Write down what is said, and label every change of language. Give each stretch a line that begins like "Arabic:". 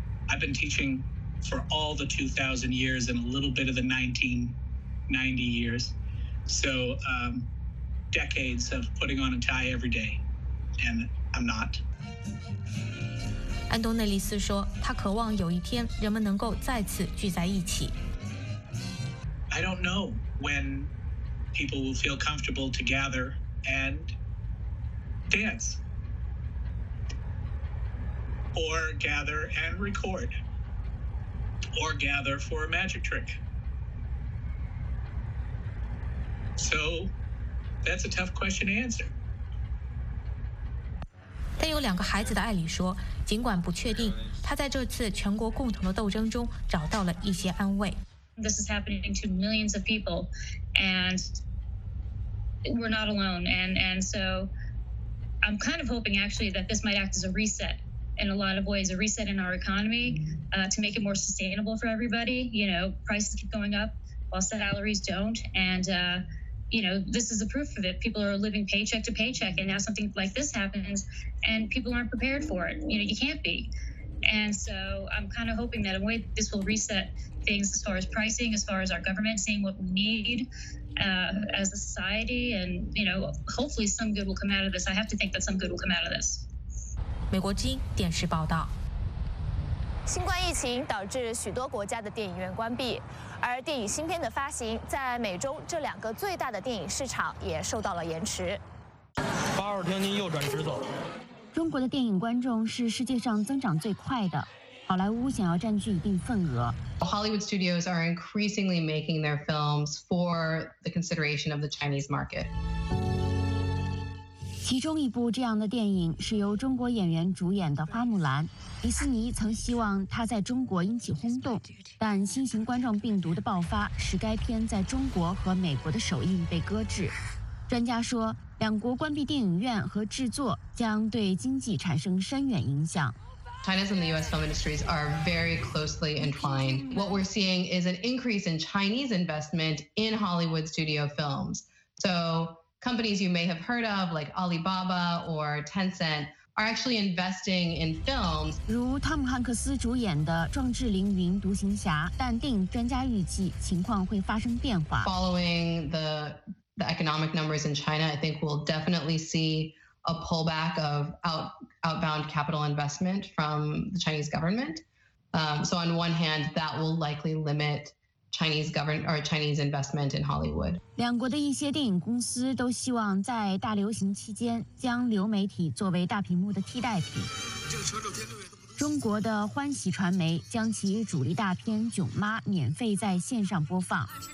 English: I've been teaching for all the 2000 years and a little bit of the 1990 years. So, decades of putting on a tie every day, and I'm not.
Chinese: 安东内利斯说，他渴望有一天人们能够再次聚在一起。
English: I don't know when people will feel comfortable to gather and dance. Or gather and record, or gather for a magic trick. So, that's a tough question to answer.
Chinese: 但有两个孩子的艾里说，尽管不确定，他在这次全国共同的斗争中找到了一些安慰。
English: This is happening to millions of people, and we're not alone. And so, I'm kind of hoping actually that this might act as a reset. In a lot of ways, a reset in our economy, to make it more sustainable for everybody. You know, prices keep going up while salaries don't. And, you know, this is the proof of it. People are living paycheck to paycheck. And now something like this happens and people aren't prepared for it. You know, you can't be. And so I'm kind of hoping that in a way this will reset things as far as pricing, as far as our government seeing what we need, as a society. And, you know, hopefully some good will come out of this. I have to think that some good will come out of this.
Chinese: 美国之音电视报道，新冠疫情导致许多国家的电影院关闭，而电影新片的发行在美中这两个最大的电影市场也受到了延迟。八号厅您右转直走。中国的电影观众是世界上增长最快的，好莱坞想要占据一定份额。
English: Hollywood studios are increasingly making their films for the consideration of the Chinese market.
Chinese: 其中一部这样的电影是由中国演员主演的《花木兰》，迪士尼曾希望它在中国引起轰动，但新型冠状病毒的爆发使该片在中国和美国的首映被搁置。专家说，两国关闭电影院和制作将对经济产生深远影响。
English: China's and the U.S. film industries are very closely entwined. What we're seeing is an increase in Chinese investment in Hollywood studio films. So. Companies you may have heard of, like Alibaba or Tencent, are actually investing in films.
Chinese: 如汤姆汉克斯主演的《壮志凌云：独行侠》，但电影专家预计情况会发生变化。
English: Following the economic numbers in China, I think we'll definitely see a pullback of outbound capital investment from the Chinese government. So on one hand, that will likely limit. Chinese government or Chinese investment in Hollywood.
Chinese: 两国的一些电影公司都希望在大流行期间将流媒体作为大屏幕的替代品。中国的欢喜传媒将其主力大片《囧妈》免费在线上播放。